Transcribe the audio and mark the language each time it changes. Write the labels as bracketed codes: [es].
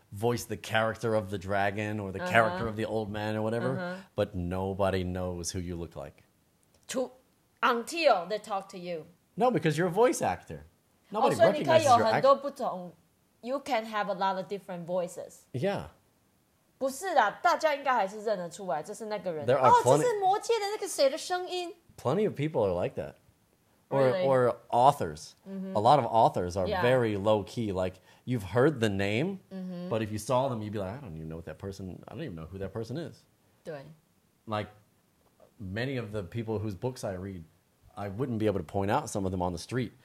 [en] voice the character of the dragon or the character of the old man or whatever, but nobody knows who you look like. Until they talk to you. No, because you're a voice actor. Nobody recognizes your actor. You can have a lot of different voices. Yeah. [zh] 不是啦，大家应该还是认得出来，这是那个人。 [en] There are plenty, [zh] 这是魔界的那个谁的声音。 [en] Plenty of people are like that. Really? Or authors. A lot of authors are very low-key, like... You've heard the name, but if you saw them, you'd be like, I don't even know who that person is. [zh] 对。 [en] Like, many of the people whose books I read, I wouldn't be able to point out some of them on the street.